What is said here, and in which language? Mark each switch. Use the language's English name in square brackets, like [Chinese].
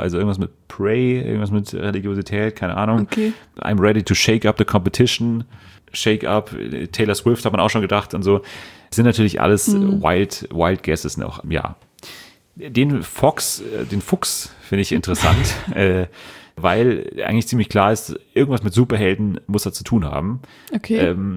[German] Also irgendwas mit pray, irgendwas mit Religiosität, keine Ahnung. Okay. [English] I'm ready to shake up the competition. Shake up. [German] Taylor Swift hat man auch schon gedacht und so. Sind natürlich alles [English] wild guesses [German] noch. Ja. Den Fuchs finde ich interessant. Weil eigentlich ziemlich klar ist, irgendwas mit Superhelden muss er zu tun haben. Okay.